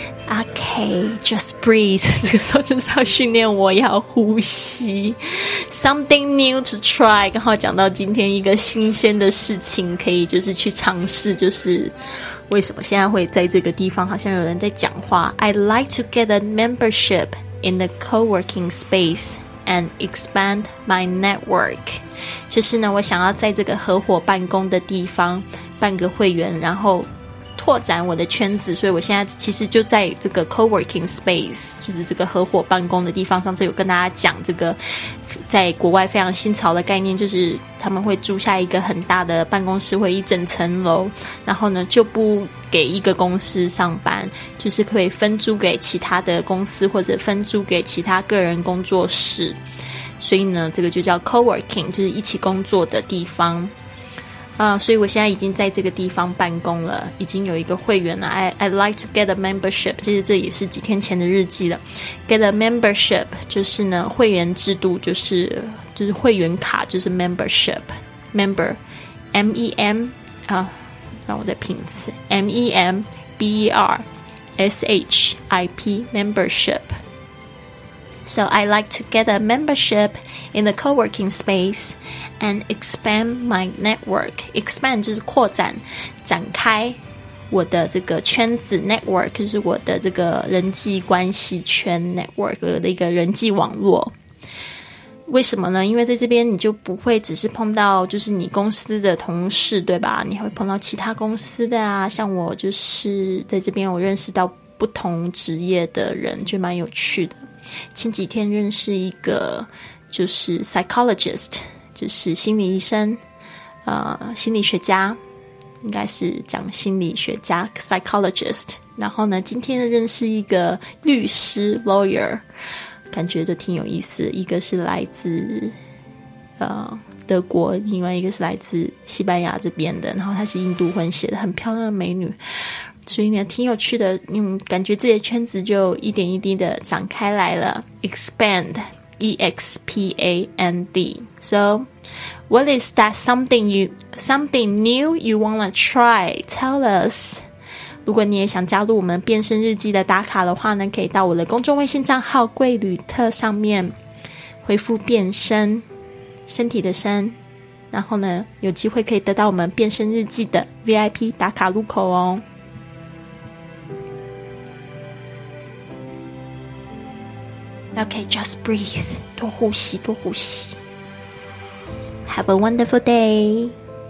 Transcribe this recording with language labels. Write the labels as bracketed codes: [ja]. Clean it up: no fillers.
[en] OK, just breathe. [zh] 这个时候真是要训练我要呼吸。 [en] Something new to try. [zh] 刚好讲到今天一个新鲜的事情，可以就是去尝试，就是为什么现在会在这个地方好像有人在讲话。 [en] I'd like to get a membership in the co-working space and expand my network. [zh] 就是呢，我想要在这个合伙办公的地方办个会员，然后拓展我的圈子，所以我现在其实就在这个 co-working space， 就是这个合伙办公的地方。上次有跟大家讲这个在国外非常新潮的概念，就是他们会租下一个很大的办公室，会一整层楼，然后呢就不给一个公司上班，就是可以分租给其他的公司或者分租给其他个人工作室，所以呢这个就叫 co-working， 就是一起工作的地方啊，所以我现在已经在这个地方办公了，已经有一个会员了。 [en] I'd like to get a membership， [zh] 其实这也是几天前的日记了。 [en] Get a membership [zh] 就是呢会员制度，就是会员卡，就是 membership， member， M-E-M 啊，让我再拼一次， M-E-M-B-E-R-S-H-I-P， membership。 [en] So I'd like to get a membership in the co-working spaceAnd expand my network. [zh] Expand 就是扩展，展开我的这个圈子。 Network 就是我的这个人际关系圈， network 的一个人际网络。为什么呢？因为在这边你就不会只是碰到就是你公司的同事，对吧？你会碰到其他公司的啊，像我就是在这边我认识到不同职业的人，就蛮有趣的。前几天认识一个就是 psychologist，就是心理医生，心理学家，应该是讲心理学家 psychologist。然后呢今天认识一个律师 lawyer， 感觉就挺有意思，一个是来自德国，另外一个是来自西班牙这边的，然后她是印度混血的，很漂亮的美女，所以呢挺有趣的。感觉这些圈子就一点一滴的展开来了。 [en] expandExpand. So, what is that something new you wanna try? Tell us. [zh] 如果你也想加入我们变身日记的打卡的话呢，可以到我的公众微信账号贵旅特上面回复变身，身体的身，然后呢有机会可以得到我们变身日记的 VIP 打卡入口哦。 [en] Okay, just breathe. [zh] 多呼吸，多呼吸。 [en] Have a wonderful day.